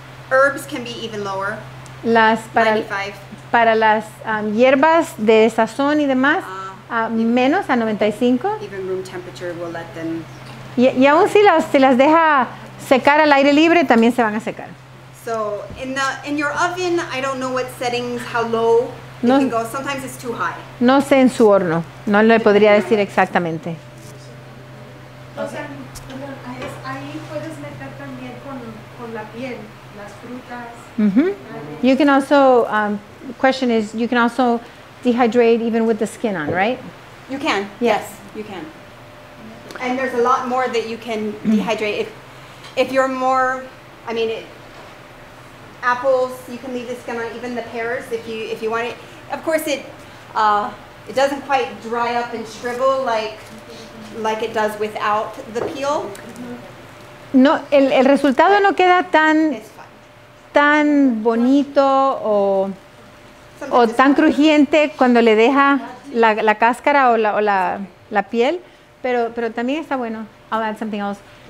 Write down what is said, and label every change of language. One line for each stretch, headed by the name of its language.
English: Herbs can be even lower.
Spanish: Las para, 95. Para las hierbas de sazón y demás, menos a 95.
English: Even room temperature will let them.
Spanish: Y aún si las deja secar al aire libre, también se van a secar.
English: So in your oven, I don't know what settings, how low no, it can go. Sometimes it's too high.
Spanish: No sé en su horno. No le podría decir exactamente. O sea, ahí puedes meter también con la piel, las frutas. Mm-hmm.
English: You can also, question is, you can also dehydrate even with the skin on, right? You can, yes, you can. And there's a lot more that you can dehydrate. If you're more, I mean, apples, you can leave the skin on, even the pears, if you want it. Of course, it doesn't quite dry up and shrivel like it does without the peel.
Spanish: No, el resultado no queda tan bonito o tan crujiente cuando le deja la cáscara o la piel, pero también está bueno.
English: I'll add something else.